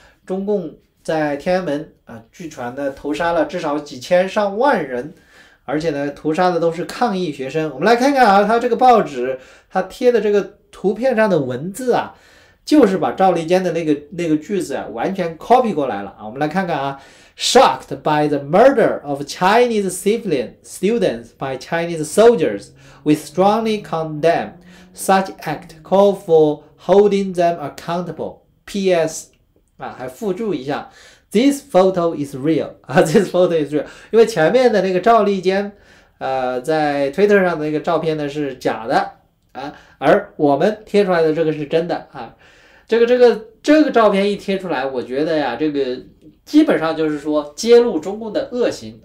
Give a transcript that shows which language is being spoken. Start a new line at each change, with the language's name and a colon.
Chinese: 中共在天安门啊，据传呢屠杀了至少几千上万人，而且呢屠杀的都是抗议学生。我们来看看啊，他这个报纸他贴的这个图片上的文字啊，就是把赵立坚的那个句子啊完全 copy 过来了啊。我们来看看啊。
English: Shocked by the murder of Chinese civilian students by Chinese soldiers, we strongly condemn such act. Call for holding them accountable. P.S.
Chinese: 啊，还附注一下，
English: This photo is real. 啊，This photo is real.
Chinese: 因为前面的那个赵立坚，在 Twitter 上的那个照片呢是假的啊，而我们贴出来的这个是真的啊。这个照片一贴出来，我觉得呀，这个基本上就是说揭露中共的恶行。